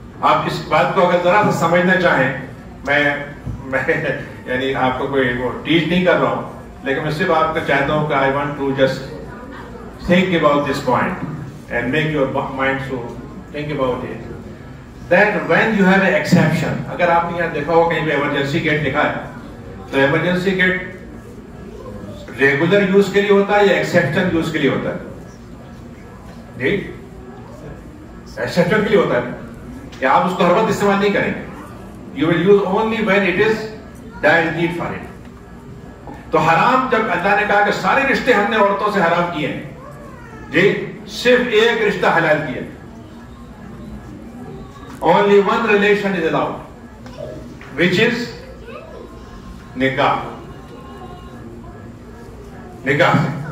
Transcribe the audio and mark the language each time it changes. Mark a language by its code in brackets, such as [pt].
[ur] آپ اس بات کو اگر ذرا سا سمجھنا چاہیں میں یعنی آپ کو کوئی وہ ٹیچ نہیں کر رہا ہوں لیکن میں صرف آپ کا چاہتا ہوں کہ [en] I want to just think about this point and make your mind so think about it that when you have a exception. [ur] اگر آپ نے یہاں دیکھا ہو کہیں پہ ایمرجنسی گیٹ لکھا ہے تو ایمرجنسی گیٹ ریگولر یوز کے لیے ہوتا ہے یا ایکسیپشن یوز کے لیے ہوتا ہے؟ ٹھیک ایکسیپشن کے لیے ہوتا ہے کہ آپ اس کو ہر وقت استعمال نہیں کریں گے. [en] You will use only when it is dire need for it. [ur] تو حرام جب اللہ نے کہا کہ سارے رشتے ہم نے عورتوں سے حرام کیے ہیں جی صرف ایک رشتہ حلال کیا [en] only one relation is allowed which is [ur] نکاح نکاح سے